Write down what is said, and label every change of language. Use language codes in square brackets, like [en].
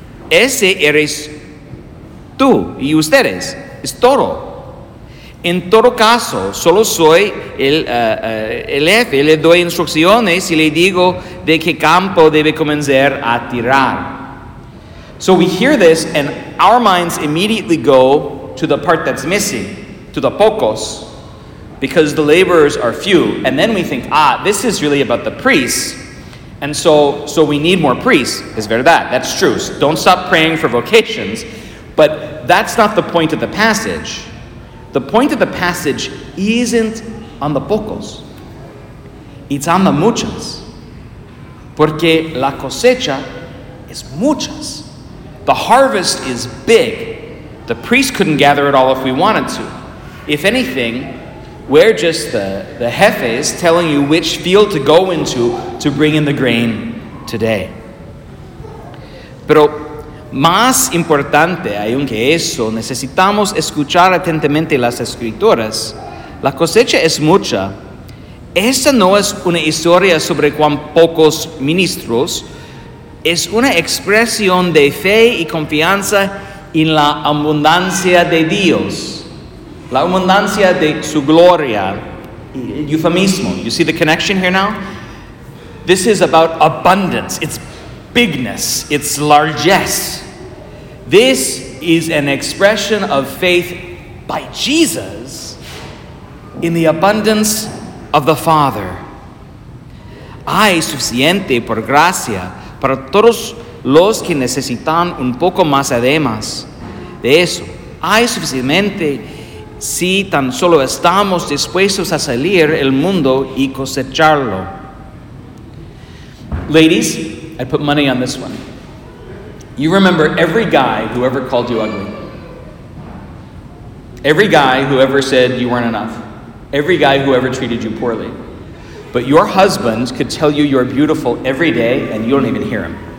[es] Ese eres tú y ustedes, es todo. En todo caso, solo soy el jefe, le doy instrucciones y le digo de qué campo debe comenzar a tirar. [en] So we hear this and our minds immediately go to the part that's missing, to the pocos, because the laborers are few. And then we think, ah, this is really about the priests. And so we need more priests. [es] Es verdad, [en] that's true. So don't stop praying for vocations. But that's not the point of the passage. The point of the passage isn't on the pocos. It's on the [es] muchos. Porque la cosecha es muchas. [en] The harvest is big. The priests couldn't gather it all if we wanted to. If anything, we're just the jefes telling you which field to go into to bring in the grain today. [es] Pero más importante, aún que eso, necesitamos escuchar atentamente las escrituras. La cosecha es mucha. Esta no es una historia sobre cuán pocos ministros. Es una expresión de fe y confianza en la abundancia de Dios. La abundancia de su gloria. Euphemismo. [en] You see the connection here now? This is about abundance. It's bigness. It's largesse. This is an expression of faith by Jesus in the abundance of the Father. [es] Hay suficiente por gracia para todos los que necesitan un poco más además de eso. Hay suficiente si tan solo estamos dispuestos a salir el mundo y cosecharlo. [en] Ladies, I put money on this one. You remember every guy who ever called you ugly. Every guy who ever said you weren't enough. Every guy who ever treated you poorly. But your husband could tell you you're beautiful every day and you don't even hear him.